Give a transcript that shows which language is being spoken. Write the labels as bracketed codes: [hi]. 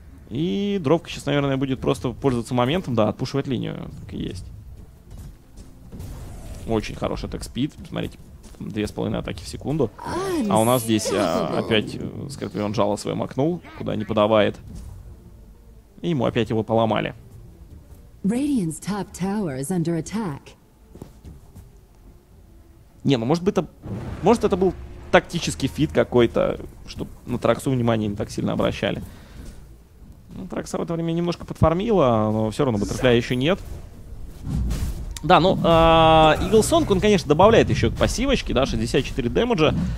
[ru] И дровка сейчас, наверное, будет просто пользоваться моментом. Да, отпушивать линию. Так и есть. Очень хороший так спид. Посмотрите, 2,5 атаки в секунду. А у нас здесь опять Скорпион жало свое макнул. Куда не подавает. И ему опять его поломали. [en] Radiant's top tower is under attack. [ru] Не, ну может быть это... Может это был тактический фит какой-то, чтобы на Траксу внимание не так сильно обращали. Ну, Тракса в это время немножко подфармила, но все равно баттерфляя еще нет. Да, ну, Иглсонг, он, конечно, добавляет еще к пассивочке, да, 64 дэмэджа.